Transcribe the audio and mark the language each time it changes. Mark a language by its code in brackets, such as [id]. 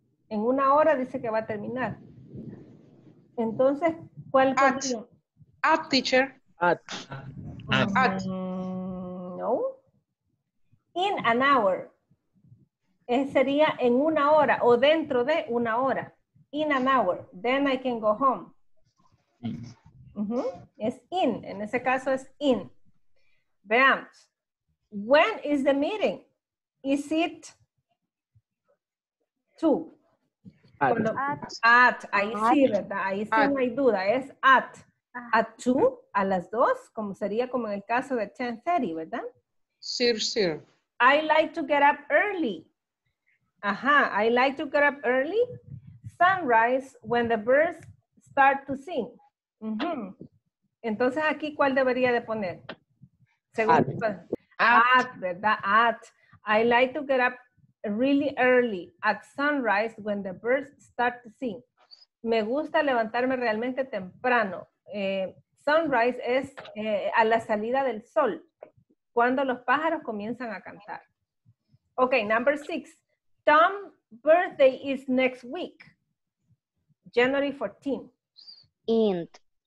[es] En una hora dice que va a terminar. Entonces, ¿cuál podría? At, teacher. [en] At. No. In an hour. [es] Sería en una hora o dentro de una hora. [en] In an hour, then I can go home. [es] Uh-huh. Es in, en ese caso es in. Veamos. [en] When is the meeting? Is it to? At. [es] Ahí sí, ¿verdad? Ahí sí no hay duda. Es at. At two, a las dos, como sería como en el caso de 10:30, ¿verdad? Sí. [en] I like to get up early. Ajá, I like to get up early. Sunrise when the birds start to sing. [es] Entonces aquí, ¿cuál debería de poner? [en] At, [es] ¿verdad? At. [en] I like to get up really early at sunrise when the birds start to sing. [es] Me gusta levantarme realmente temprano. Sunrise es a la salida del sol, cuando los pájaros comienzan a cantar. [en] Ok, number six. Tom's birthday is next week, January 14th. Int.